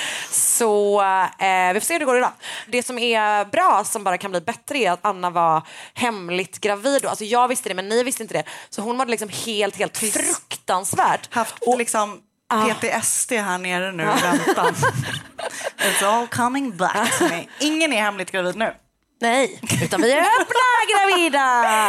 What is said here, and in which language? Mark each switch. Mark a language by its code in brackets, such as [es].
[sv] Så vi får se hur det går idag. Det som är bra, som bara kan bli bättre, är att Anna var hemligt gravid. Alltså jag visste det, men ni visste inte det. Så hon var liksom helt, helt fruktansvärt. Haft och, liksom PTSD här nere nu, väntan. [en] It's all coming back to me. [sv] Ingen är hemligt gravid nu. Nej, utan vi är öppna gravida!